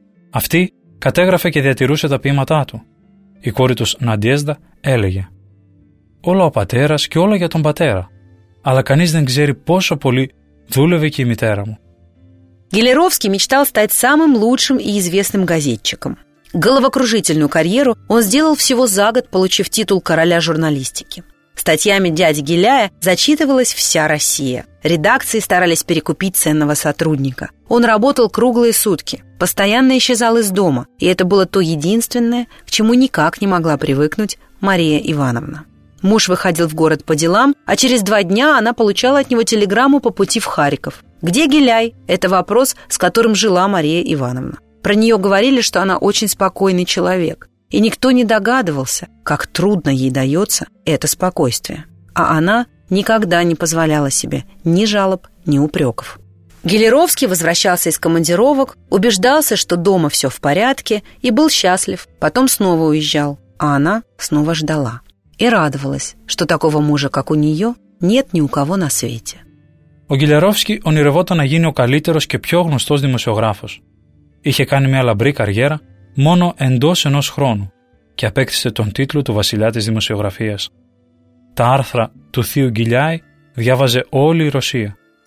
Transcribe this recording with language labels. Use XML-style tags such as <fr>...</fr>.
<el>Αυτή κατέγραφε και διατηρούσε τα ποίηματά του. Η κόρη τους Ναντιέζδα έλεγε: «Όλα ο πατέρας και όλα για τον πατέρα, αλλά κανείς δεν ξέρει πόσο πολύ δούλευε και η μητέρα μου».</el> <ru>Гелеровский мечтал стать самым лучшим и известным газетчиком. Головокружительную карьеру он сделал всего за год, получив титул короля журналистики. Статьями дяди Геляя зачитывалась вся Россия. Редакции старались перекупить ценного сотрудника. Он работал круглые сутки, постоянно исчезал из дома, и это было то единственное, к чему никак не могла привыкнуть Мария Ивановна. Муж выходил в город по делам, а через два дня она получала от него телеграмму по пути в Харьков. «Где Геляй?» – это вопрос, с которым жила Мария Ивановна. Про нее говорили, что она очень спокойный человек. И никто не догадывался, как трудно ей дается это спокойствие. А она никогда не позволяла себе ни жалоб, ни упреков. Гелеровский возвращался из командировок, убеждался, что дома все в порядке, и был счастлив. Потом снова уезжал, а она снова ждала. И радовалась, что такого мужа, как у нее, нет ни у кого на свете.</ru> <el>Ο Γκυλιαρόφσκι ονειρευόταν να γίνει ο καλύτερος και πιο γνωστός δημοσιογράφος. Είχε κάνει μια λαμπρή καριέρα μόνο εντός ενός χρόνου και απέκτησε τον τίτλο του βασιλιά της δημοσιογραφίας. Τα άρθρα του θείου Γκυλιάη διάβαζε όλη η Ρωσία.</el>